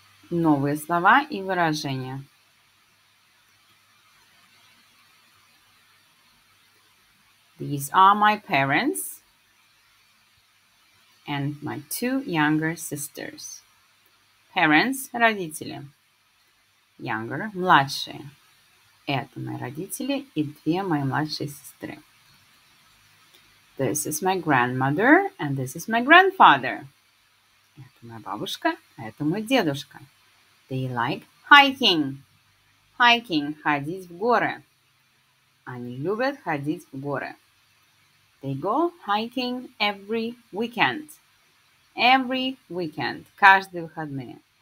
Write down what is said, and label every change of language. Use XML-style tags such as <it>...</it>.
<ru>Новые слова и выражения.</ru> <en>These are my parents and my two younger sisters. Parents –</en> <ru>родители.</ru> <en>younger,</en> <ru>младшие. Это мои родители и две мои младшие сестры.</ru> <en>This is my grandmother and this is my grandfather.</en> <ru>Это моя бабушка, а это мой дедушка.</ru> <en>They like hiking. Hiking –</en> <ru>ходить в горы. Они любят ходить в горы.</ru> <en>They go hiking every weekend. Every weekend –</en> <ru>каждые выходные.</ru>